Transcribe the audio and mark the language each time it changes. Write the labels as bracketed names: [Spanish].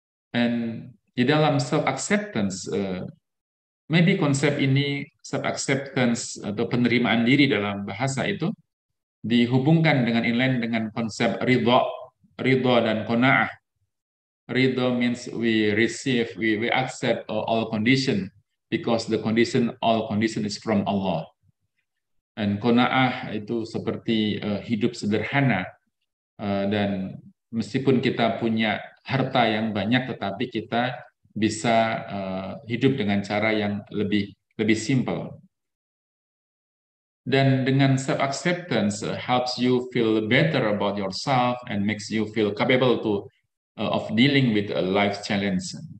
[Indonesian] And di dalam self-acceptance, maybe konsep ini, self-acceptance atau penerimaan diri dalam bahasa itu, dihubungkan dengan inline dengan konsep ridho, ridho dan kona'ah. [English] Ridho means we receive, we accept all condition, because the condition, all condition is from Allah. [Indonesian] And kona'ah itu seperti hidup sederhana, dan meskipun kita punya harta yang banyak, tetapi kita bisa hidup dengan cara yang lebih lebih simple. Dan dengan [English] self-acceptance helps you feel better about yourself and makes you feel capable to of dealing with a life challenge.